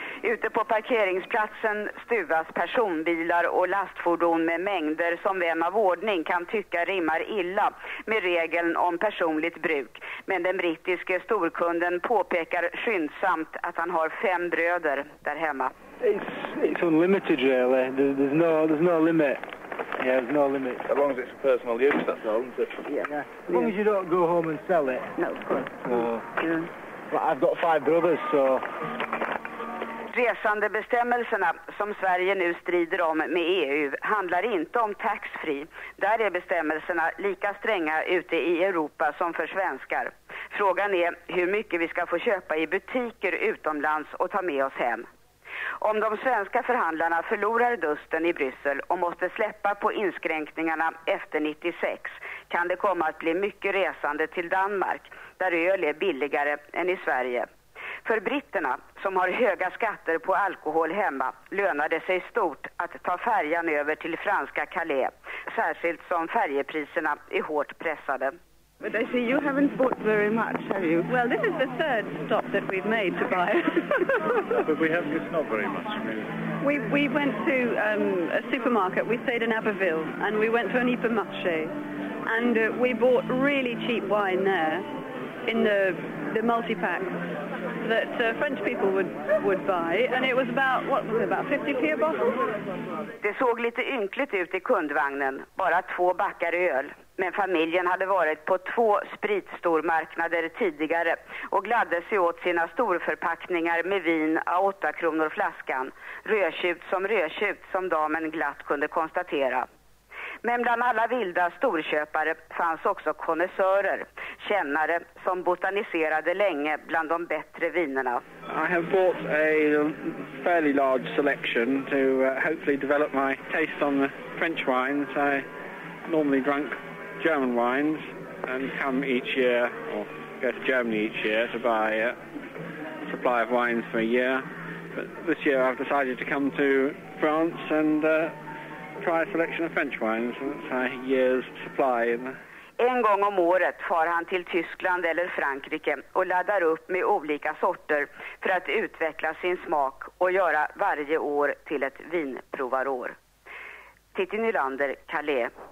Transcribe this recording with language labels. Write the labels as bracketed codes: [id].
[sv] Ute på parkeringsplatsen stuvas personbilar och lastfordon med mängder som vem av ordning kan tycka rimmar illa med regeln om personligt bruk. Men den brittiske storkunden påpekar skyndsamt att han har 5 bröder där hemma. [en] It's unlimited really. There's no limit. Yeah, there's no limit. As long as it's personal use, that's all, isn't it? Yeah. As long as you don't go home and sell it. No, of course. But I've got 5 brothers, so... [sv] Resandebestämmelserna som Sverige nu strider om med EU handlar inte om taxfree. Där är bestämmelserna lika stränga ute i Europa som för svenskar. Frågan är hur mycket vi ska få köpa i butiker utomlands och ta med oss hem. Om de svenska förhandlarna förlorar dusten i Bryssel och måste släppa på inskränkningarna efter 96 kan det komma att bli mycket resande till Danmark, där öl är billigare än i Sverige. För britterna, som har höga skatter på alkohol hemma, lönar det sig stort att ta färjan över till franska Calais, särskilt som färjepriserna är hårt pressade. [en] But I see you haven't bought very much, have you? Well, this is the third stop that we've made to buy. But we haven't, it's not very much, really. We went to a supermarket, we stayed in Abbeville, and we went to an hypermarché, and we bought really cheap wine there, in the multi-pack that French people would buy, and it was about, what was it, about 50p a bottle? [sv] Det såg lite ynkligt ut i kundvagnen, bara två backar öl. Men familjen hade varit på två spritstormarknader tidigare och gladde sig åt sina storförpackningar med vin av 8 kronor flaskan. Rödtjut som rödtjut, som damen glatt kunde konstatera. Men bland alla vilda storköpare fanns också konnässörer, kännare som botaniserade länge bland de bättre vinerna. [en] I have bought a fairly large selection to hopefully develop my taste on the French wines. I normally drank German wines and come each year, or go to Germany each year, to buy a supply of wines for a year. But this year I've decided to come to France and try a selection of French wines, and it's a year's supply. [sv] En gång om året far han till Tyskland eller Frankrike och laddar upp med olika sorter för att utveckla sin smak och göra varje år till ett vinprovarår. Titti Nylander, Calais.